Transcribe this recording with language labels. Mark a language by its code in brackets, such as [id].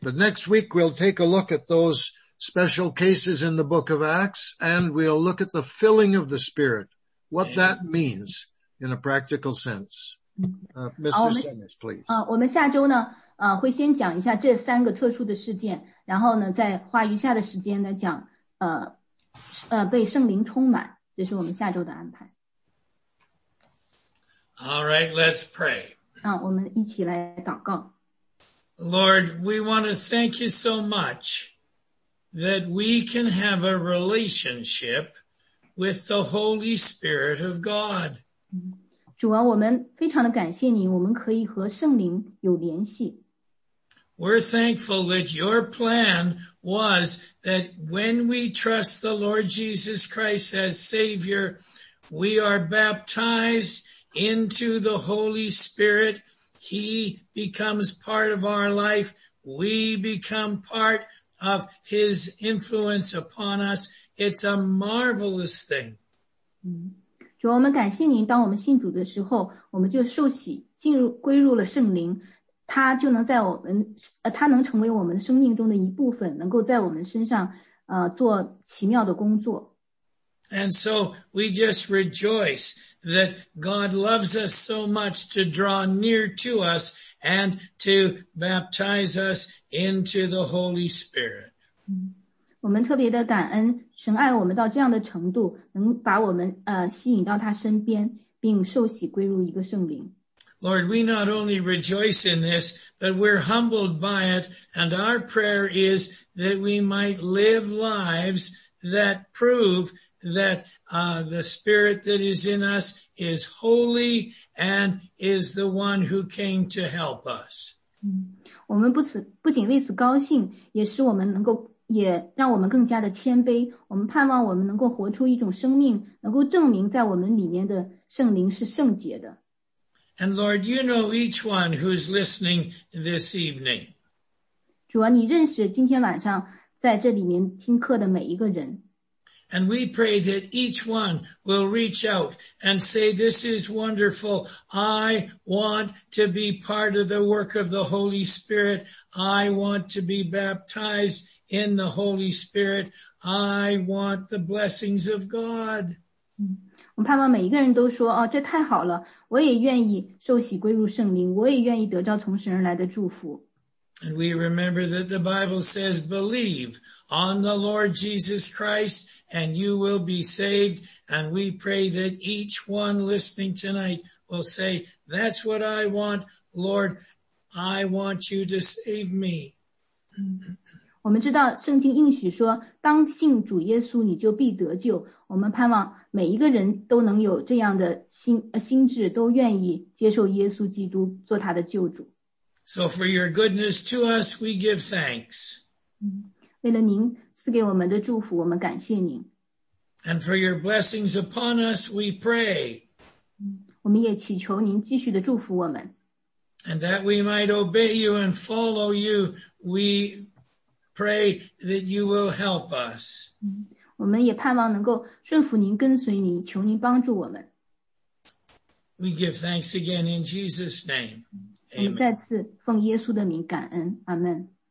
[en] But next week we'll take a look at thoseSpecial cases in the book of Acts, and we'll look at the filling of the Spirit, what that means in a practical sense. Mr. Simmons, please. [zh] 我们下周呢，会先讲一下这三个特殊的事件，然后呢，再花余下的时间呢，讲被圣灵充满，这是我们下周的安排。 [en] All right, let's pray. [zh] 我们一起来祷告。 [en] Lord, we want to thank you so much. That we can have a relationship with the Holy Spirit of God. [zh] 主啊，我们非常的感谢你，我们可以和圣灵有联系。 [en] We're thankful that your plan was that when we trust the Lord Jesus Christ as Savior, we are baptized into the Holy Spirit. He becomes part of our life. We become part of his influence upon us. It's a marvelous thing. [zh] 主，我们感谢您，当我们信主的时候，我们就受洗进入归入了圣灵，他就能在我们他能成为我们生命中的一部分，能够在我们身上做奇妙的工作。 [en] And so we just rejoice that God loves us so much to draw near to us and to baptize us into the Holy Spirit. [zh] 我们特别的感恩，神爱我们到这样的程度，能把我们吸引到他身边，并受洗归入一个圣灵。 [en] Lord, we not only rejoice in this, but we're humbled by it, and our prayer is that we might live lives that prove that the Spirit that is in us is holy and is the one who came to help us. [zh] 我们不仅为此高兴，也使我们能够，也让我们更加的谦卑，我们盼望我们能够活出一种生命，能够证明在我们里面的圣灵是圣洁的。 [en] And Lord, you know each one who's listening this evening. [zh] 主啊，你认识今天晚上在这里面听课的每一个人。 [en] And we pray that each one will reach out and say, this is wonderful. I want to be part of the work of the Holy Spirit. I want to be baptized in the Holy Spirit. I want the blessings of God. [zh] 我盼望每一个人都说，哦，这太好了，我也愿意受洗归入圣灵，我也愿意得到从神而来的祝福。 [en] And we remember that the Bible says, believe on the Lord Jesus Christ and you will be saved. And we pray that each one listening tonight will say, that's what I want, Lord. I want you to save me. [zh] 我们知道圣经应许说，当信主耶稣你就必得救。我们盼望每一个人都能有这样的 心智，都愿意接受耶稣基督做他的救主。 [en] So for your goodness to us, we give thanks. [zh] 为了您赐给我们的祝福，我们感谢您。 [en] And for your blessings upon us, we pray. [zh] 我们也祈求您继续的祝福我们。 [en] And that we might obey you and follow you, we pray that you will help us. [zh] 我们也盼望能够顺服您，跟随您，求您帮助我们。 [en] We give thanks again in Jesus' name. [zh] 我们再次奉耶稣的名感恩，阿门。